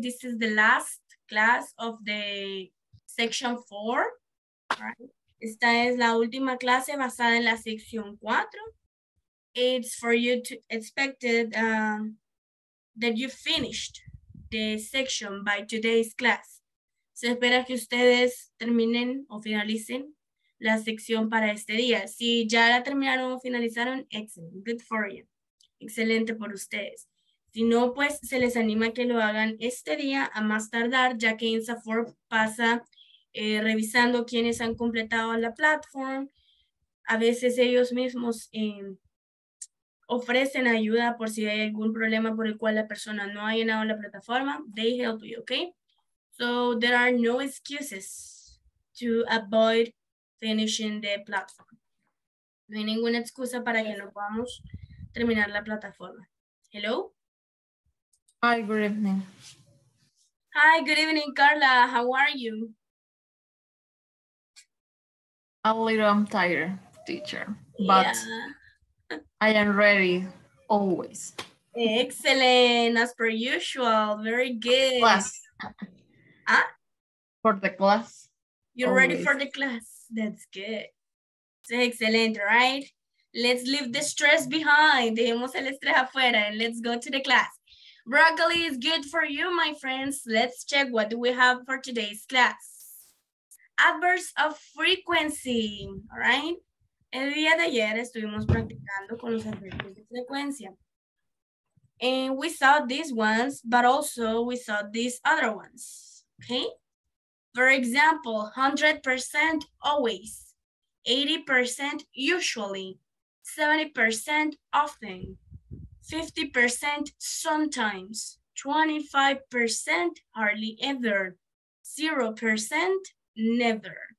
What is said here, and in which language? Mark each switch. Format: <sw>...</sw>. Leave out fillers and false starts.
<en>This is the last class of the section 4. All right.</en> <es>Esta es la última clase basada en la sección 4.</es> <en>It's for you to expect that you finished the section by today's class.</en> <es>Se espera que ustedes terminen o finalicen la sección para este día. Si ya la terminaron o finalizaron,</es> <en>excellent. Good for you.</en> <es>Excelente por ustedes. Si no, pues se les anima que lo hagan este día a más tardar, ya que INSAFORP pasa revisando quienes han completado la plataforma. A veces ellos mismos ofrecen ayuda por si hay algún problema por el cual la persona no ha llenado la plataforma.</es> <en>They help you, okay? So there are no excuses to avoid finishing the platform.</en> <es>No hay ninguna excusa para que no podamos terminar la plataforma.</es> <en>Hello. Hi, good evening. Hi, good evening, Carla. How are you? A little I'm tired, teacher, but yeah. I am ready always. Excellent, as per usual. Very good. Class. Huh? For the class. You're always ready for the class. That's good. So excellent, right? Let's leave the stress behind.</en> <es>Dejemos el estrés afuera</es> <en>and let's go to the class. Broccoli is good for you, my friends. Let's check what do we have for today's class. Adverbs of frequency, all right?</en> <es>El día de ayer estuvimos practicando con los adverbios de frecuencia.</es> <en>And we saw these ones, but also we saw these other ones, okay? For example, 100% always, 80% usually, 70% often, 50% sometimes, 25% hardly ever, 0% never.</en>